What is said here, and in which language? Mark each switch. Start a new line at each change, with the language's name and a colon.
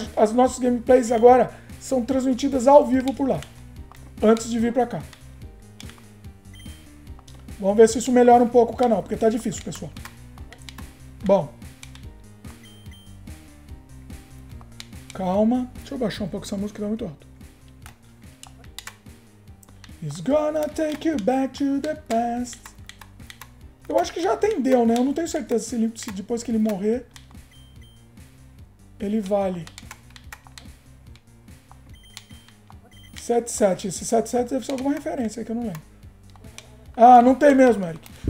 Portuguese: As nossas gameplays agora são transmitidas ao vivo por lá. Antes de vir pra cá. Vamos ver se isso melhora um pouco o canal, porque tá difícil, pessoal. Bom. Calma. Deixa eu baixar um pouco essa música, tá muito alto.
English: It's gonna take you back to the past.
Portuguese: Eu acho que já atendeu, né? Eu não tenho certeza se depois que ele morrer, ele vale. 77. Esse 77 deve ser alguma referência aí que eu não lembro. Ah, não tem mesmo, Eric.